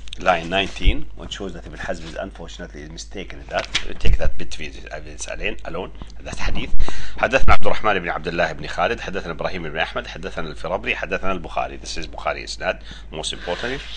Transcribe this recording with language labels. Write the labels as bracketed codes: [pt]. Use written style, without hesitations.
[en] Line 19, which shows that Ibn Hazm is unfortunately mistaken in that. Take that bit of evidence alone, that hadith. [ar] حدثنا عبد الرحمن بن عبد الله بن خالد حدثنا إبراهيم بن أحمد حدثنا الفرابري حدثنا البخاري. [en] This is Bukhari إسناد most importantly.